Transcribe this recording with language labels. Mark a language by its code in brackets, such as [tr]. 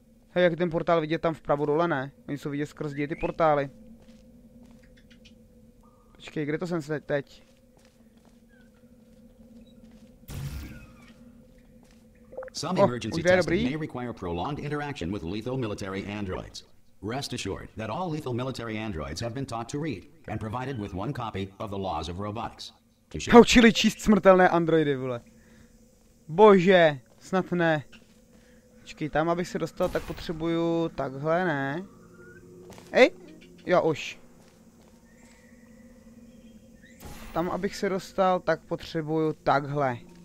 [cs] Hej, jak ten portál vidět tam vpravo dole, ne? Oni jsou vidět skrz ty portály. Počkej, kde to jsem se teď? [en] Some emergency testing may require prolonged interaction with lethal military androids. Rest assured that all lethal military androids have been taught to read and provided with one copy of the Laws of Robotics. [cs] Naučili číst smrtelné androidy, vole. Bože, snad ne. Počkej, tam abych se dostal, tak potřebuju takhle, ne? Ej, jo, už. Tam abych se dostal, tak potřebuju takhle.